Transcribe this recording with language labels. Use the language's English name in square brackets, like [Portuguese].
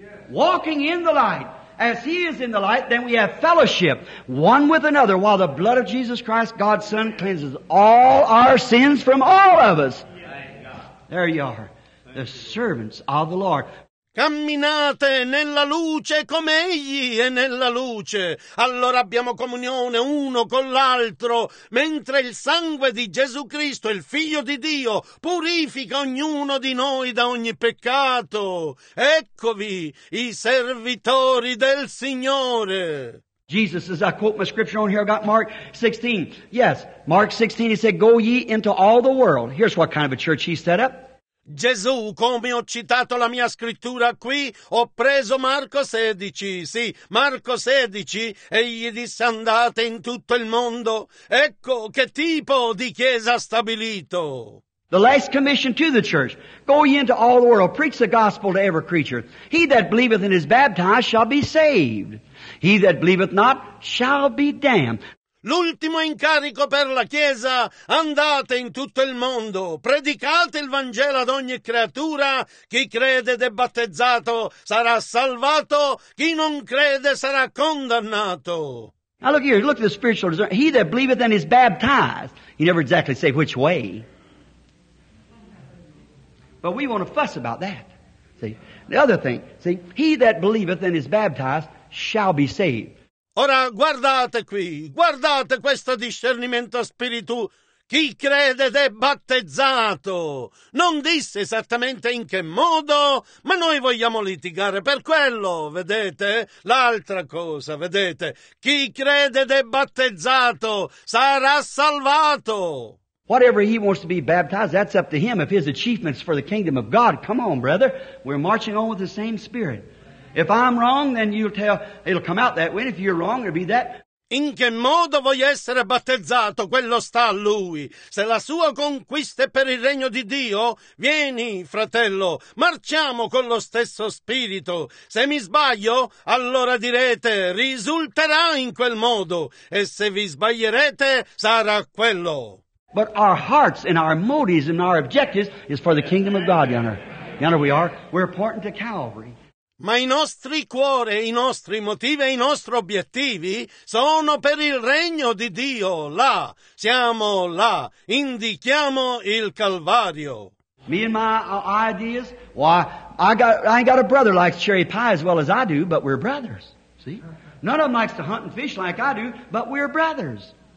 [English] Walking in the light. As He is in the light, then we have fellowship one with another, while the blood of Jesus Christ, God's Son, cleanses all our sins from all of us. There you are, the servants of the Lord. [Italian] Camminate nella luce come Egli è nella luce. Allora abbiamo comunione uno con l'altro, mentre il sangue di Gesù Cristo, il Figlio di Dio, purifica ognuno di noi da ogni peccato. Eccovi, i servitori del Signore. [English] Jesus, as I quote my scripture on here, I got Mark 16. Yes, Mark 16, he said, go ye into all the world. Here's what kind of a church he set up. [Italian] Gesù, come ho citato la mia scrittura qui, ho preso Marco 16, sì, Marco 16, e gli disse: andate in tutto il mondo. Ecco che tipo di chiesa ha stabilito. [English] The last commission to the church: go ye into all the world, preach the gospel to every creature. He that believeth and is baptized shall be saved. He that believeth not shall be damned. [Italian] L'ultimo incarico per la Chiesa: andate in tutto il mondo, predicate il Vangelo ad ogni creatura, chi crede ed è battezzato sarà salvato, chi non crede sarà condannato. [English] Now look here, look at the spiritual discernment. He that believeth and is baptized, he never exactly say which way. But we want to fuss about that. See, the other thing, see, he that believeth and is baptized shall be saved. [Italian] Ora guardate qui, guardate questo discernimento spirituale chi crede ed è battezzato. Non disse esattamente in che modo, ma noi vogliamo litigare per quello, vedete? L'altra cosa, vedete? Chi crede ed è battezzato sarà salvato. [English] Whatever he wants to be baptized, that's up to him. If his achievement's for the kingdom of God, come on, brother. We're marching on with the same spirit. If I'm wrong, then you'll tell, it'll come out that way. And if you're wrong, it'll be that. [Italian] In che modo voglio essere battezzato, quello sta a lui. Se la sua conquista è per il regno di Dio, vieni, fratello, marciamo con lo stesso spirito. Se mi sbaglio, allora direte, risulterà in quel modo. E se vi sbaglierete, sarà quello. [English] But our hearts and our motives and our objectives is for the kingdom of God, yonder. Yonder we are. We're important to Calvary. [Italian] Ma i nostri cuori, i nostri motivi e i nostri obiettivi sono per il regno di Dio, là. Siamo là. Indichiamo il Calvario. [English] Me and my ideas? Why, I ain't got a brother likes cherry pie as well as I do, but we're brothers. See? None of them likes to hunt and fish like I do, but we're brothers.